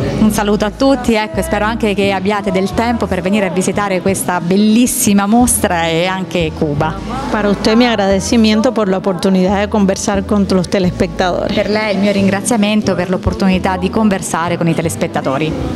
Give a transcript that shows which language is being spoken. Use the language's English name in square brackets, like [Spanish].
[Italian] Un saluto a tutti, ecco, spero anche che abbiate del tempo per venire a visitare questa bellissima mostra e anche Cuba. [Spanish] Para usted mi agradecimiento por la oportunidad de conversar con los telespectadores. [Italian] Per lei il mio ringraziamento per l'opportunità di conversare con i telespettatori.